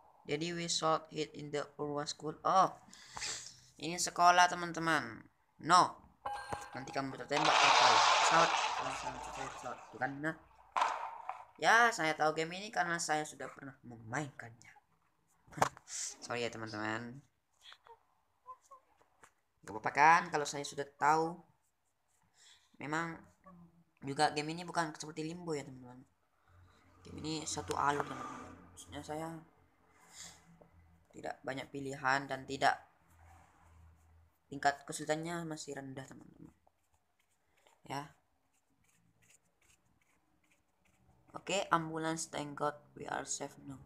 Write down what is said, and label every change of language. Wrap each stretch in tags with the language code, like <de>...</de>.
<id>Jadi</id> <en>we saw it in the Urwa school.</en> <id>Oh. Ini sekolah, teman-teman.</id> <en>No.</en> <id>Nanti kamu tertembak kapal. Shot. Karena ya, saya tahu game ini karena saya sudah pernah memainkannya. Sorry ya, teman-teman. Gak apa-apa kan kalau saya sudah tahu. Memang juga game ini bukan seperti Limbo ya, teman-teman. Game ini satu alur, teman-teman. Maksudnya saya tidak banyak pilihan dan tidak tingkat kesulitannya masih rendah, teman-teman. Ya.</id> <en>Oke, okay, ambulance, thank God we are safe now.</en>